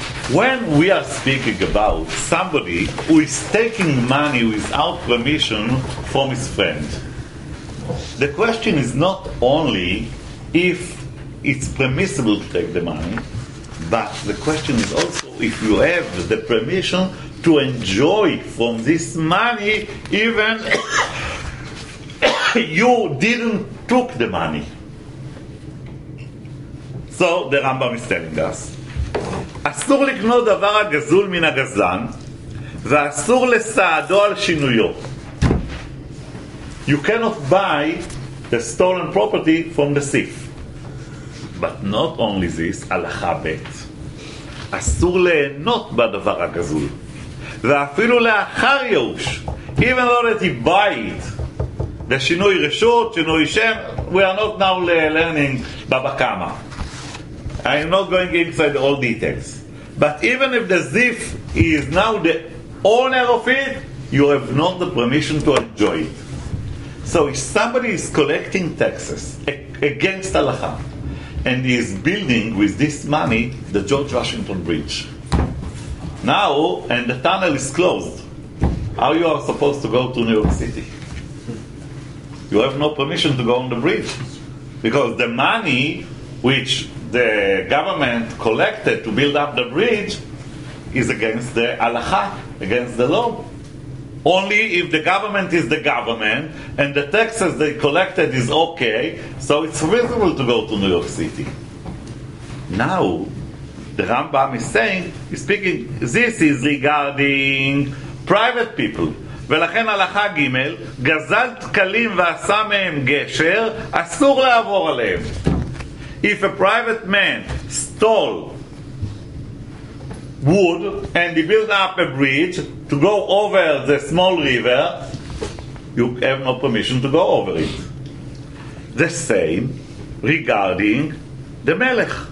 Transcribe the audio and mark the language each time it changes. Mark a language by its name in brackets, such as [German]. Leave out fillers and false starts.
[English] When we are speaking about somebody who is taking money without permission from his friend, the question is not only if it's permissible to take the money, but the question is also if you have the permission to enjoy from this money even you didn't took the money. So the Rambam is telling us, [Hebrew] אסור לקנות דבר הגזול מן הגזלן ואסור לסעדו על שינויו. [English] You cannot buy the stolen property from the thief. But not only this, [Hebrew] הלכה בית, אסור ליהנות בדבר הגזול ואפילו לאחר יאוש, [English] even though that he buy it, the [Hebrew] שינוי רשות, שינוי שם, [English] we are not now learning בבא קמא. I'm not going inside all details. But even if the thief is now the owner of it, you have not the permission to enjoy it. So if somebody is collecting taxes against halacha, and he is building with this money the George Washington Bridge, now, and the tunnel is closed, how you are supposed to go to New York City? You have no permission to go on the bridge. Because the money which the government collected to build up the bridge is against the halakha, against the law. Only if the government is the government and the taxes they collected is okay, so it's reasonable to go to New York City. Now, the Rambam is saying, he's speaking, this is regarding private people. [Hebrew] ולכן הלכה גימל, גזל תקלים ועשה מהם גשר, אסור לעבור עליהם. [English] If a private man stole wood and he built up a bridge to go over the small river, you have no permission to go over it. The same regarding the melech.